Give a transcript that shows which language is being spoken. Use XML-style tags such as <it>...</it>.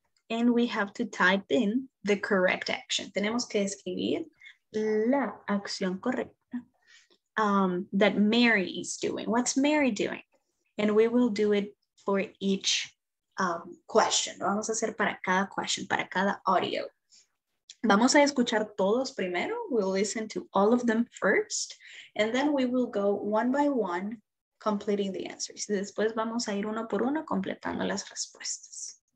<en>And we have to type in the correct action.</en> <es>Tenemos que escribir la acción correcta</es> <en>that Mary is doing. What's Mary doing? And we will do it for each question.</en> <es>Lo vamos a hacer para cada question, para cada audio. Vamos a escuchar todos primero.</es> <en>We'll listen to all of them first. And then we will go one by one, completing the answers.</en> <es>Y después vamos a ir uno por uno, completando las respuestas.</es>